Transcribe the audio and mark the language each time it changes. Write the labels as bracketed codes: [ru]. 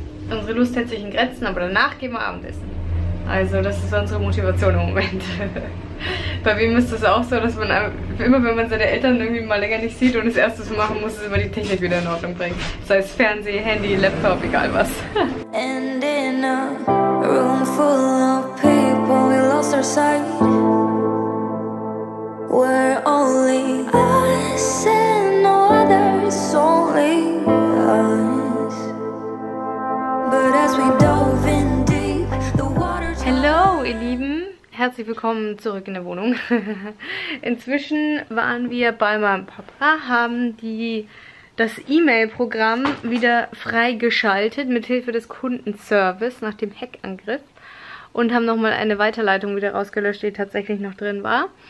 [de] Unsere Lust hält sich in Grenzen, aber danach gehen wir Abendessen. Also das ist unsere Motivation im Moment. Bei wem ist das auch so, dass man immer, wenn man seine Eltern irgendwie mal länger nicht sieht und das erste so machen muss, ist immer die Technik wieder in Ordnung bringen. Sei es Fernseh, Handy, Laptop, egal was. [en] And in a room full of people, we lost our sight. We're only us and no others, only us. But as we dove in deep, the water. [de] Hello, ihr Lieben. Herzlich willkommen zurück in der Wohnung. Inzwischen waren wir bei meinem Papa, haben das E-Mail-Programm wieder freigeschaltet mit Hilfe des Kundenservice nach dem Hackangriff und haben nochmal eine Weiterleitung wieder rausgelöscht, die tatsächlich noch drin war.